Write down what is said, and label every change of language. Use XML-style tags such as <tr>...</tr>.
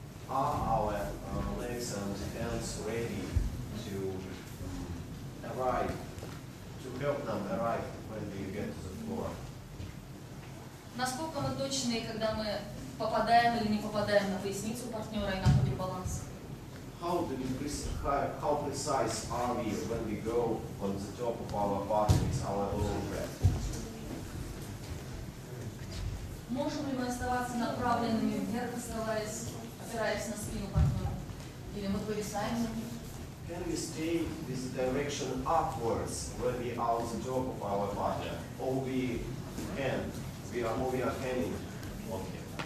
<en>Are our legs and hands ready to arrive, to help them arrive when they get to the floor?</en> <ru>Насколько мы точны, когда мы попадаем или не попадаем на поясницу партнера и находим баланс?</ru> <en>How precise are we when we go on the top of our body with our own breath?</en> <ru>Можем ли мы оставаться направленными вверх, опираясь на спину партнера? Или мы повисаем на них?</ru> <en>Can we stay this direction upwards when we are on the top of our body? Or we can, we are moving our hand in. Okay.</en>